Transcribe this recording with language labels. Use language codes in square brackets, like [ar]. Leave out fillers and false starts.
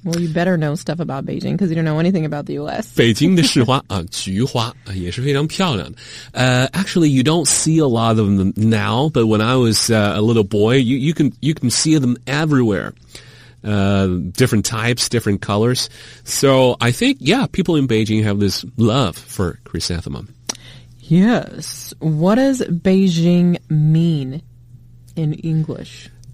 [en] Well, you better know stuff about Beijing because you don't know anything about the U.S. [zh] 北京的市花啊，菊花也是非常漂亮的。 [en] Actually, you don't see a lot of them now, but when I was a little boy, you can see them everywhere. Different types, different colors. So I think, yeah, people in Beijing have this love for chrysanthemum. Yes. What does Beijing mean in English?